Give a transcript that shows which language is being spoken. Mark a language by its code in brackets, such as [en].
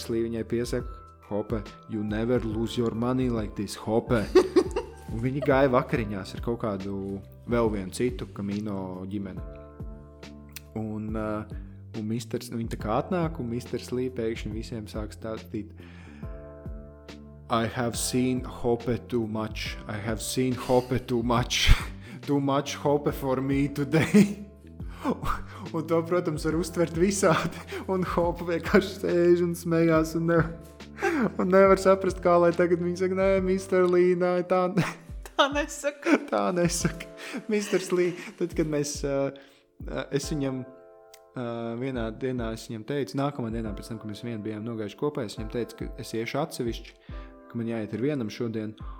[lv] Slī viņai piesaka, [en] Hope, you never lose your money like this, Hope. [lv] Un viņi gāja vakariņās ar kaut kādu vēl vienu citu Camino ģimeni. Un, un misters, viņa tā kā atnāk, un Mr. Slī pēkšņi visiem sāk stāstīt. [en] I have seen Hope too much. I have seen Hope too much. Too much Hope for me today. [lv] Un to, protams, var uztvert visādi. Un Hope vienkārši sēž un smējās un nevar, un nevar saprast, kā lai tagad viņi saka, nē, Mr. Lee, nē, tā, ne, tā nesaka. Tā nesaka. Mr. Lee, tad, kad mēs, es viņam vienā dienā es viņam teicu, nākamā dienā, pēc tam, kad mēs vienu bijām nogājuši kopā, es viņam teicu, ka es iešu atsevišķi, ka man jāiet ar vienam šodien.